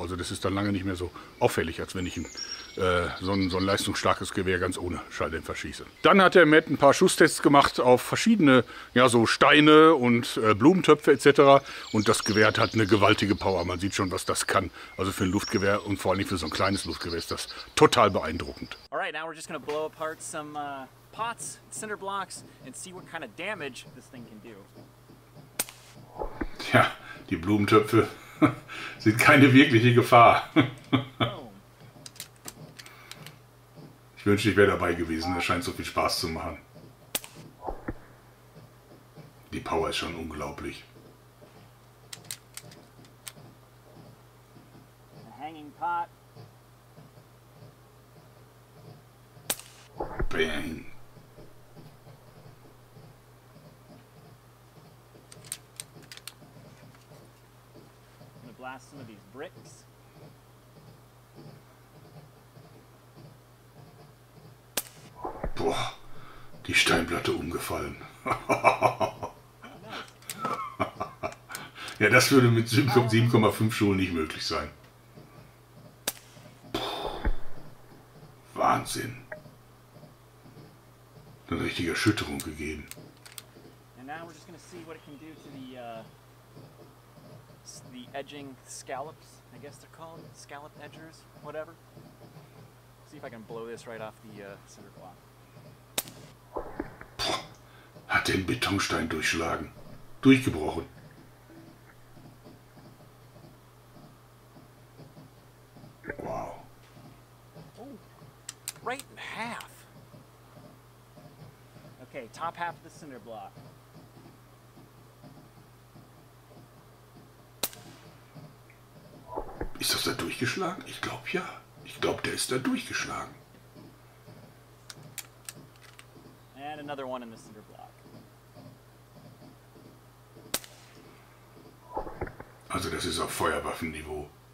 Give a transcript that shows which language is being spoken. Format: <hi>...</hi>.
<de>Also das ist dann lange nicht mehr so auffällig, als wenn ich so ein leistungsstarkes Gewehr ganz ohne Schalldämpfer schieße. Dann hat der Matt ein paar Schusstests gemacht auf verschiedene, ja, so Steine und Blumentöpfe etc. Und das Gewehr hat eine gewaltige Power. Man sieht schon, was das kann. Also für ein Luftgewehr und vor allem für so ein kleines Luftgewehr ist das total beeindruckend.</de> <en>Alright, now we're just gonna blow apart some pots, cinder blocks and see what kind of damage this thing can do.</en> <de>Tja, die Blumentöpfe sind keine wirkliche Gefahr. Ich wünschte, ich wäre dabei gewesen. Das scheint so viel Spaß zu machen. Die Power ist schon unglaublich.</de> <en>A hanging pot. Bang. Gonna blast some of these bricks.</en> <de>Boah, die Steinplatte umgefallen. Ja, das würde mit 7,5 Schulen nicht möglich sein. Puh, Wahnsinn. Eine richtige Erschütterung gegeben.</de> <en>And now we're just gonna see what it can do to the edging scallops, I guess they're called, scallop edgers, whatever. See if I can blow this right off the center block.</en> <de>Hat den Betonstein durchschlagen. Durchgebrochen. Wow.</de> <en>Oh, right in half. Okay, top half of the cinder block.</en> <de>Ist das da durchgeschlagen? Ich glaube ja. Ich glaube, der ist da durchgeschlagen.</de> <en>And another one in the cinder block.</en> <de>Also das ist auf Feuerwaffenniveau.</de>